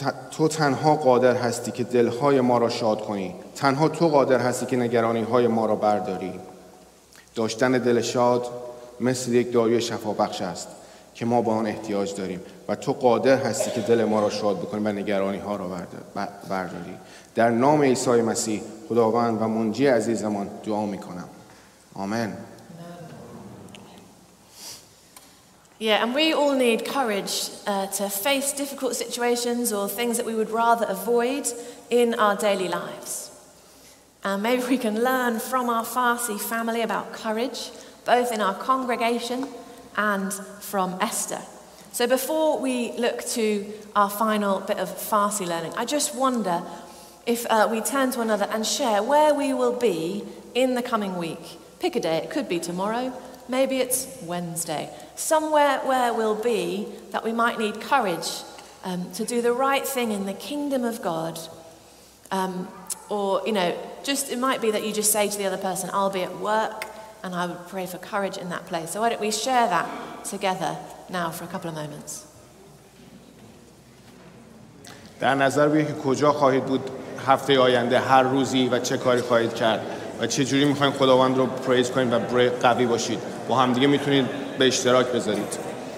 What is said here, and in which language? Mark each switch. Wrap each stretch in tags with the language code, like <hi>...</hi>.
<fa>تو تنها قادر هستی که دلهای ما را شاد کنی تنها تو قادر هستی که نگرانی های ما را برداری داشتن دل شاد مثل یک داروی شفا بخش است که ما با آن احتیاج داریم و تو قادر هستی که دل ما را شاد بکنی و نگرانی ها را برداری در نام عیسی مسیح خداوند و منجی عزیزمان دعا میکنم آمین</fa> <en>Yeah, and we all need courage to face difficult situations or things that we would rather avoid in our daily lives. And maybe we can learn from our Farsi family about courage, both in our congregation and from Esther. So before we look to our final bit of Farsi learning, I just wonder if we turn to another and share where we will be in the coming week. Pick a day, it could be tomorrow, maybe it's Wednesday. Somewhere where we'll be that we might need courage to do the right thing in the kingdom of God. Or, you know, just it might be that you just say to the other person, I'll be at work, and I would pray for courage in that place. So why don't we share that together now for a couple of moments.</en> <fa>در نظر بگیرید کجا خواهید بود هفته آینده هر روزی و چه کاری خواهید کرد و چه جوری می‌خواید خداوند رو پرایز کنید و قوی باشید. با هم دیگه می‌تونید به اشتراک بذارید.</fa>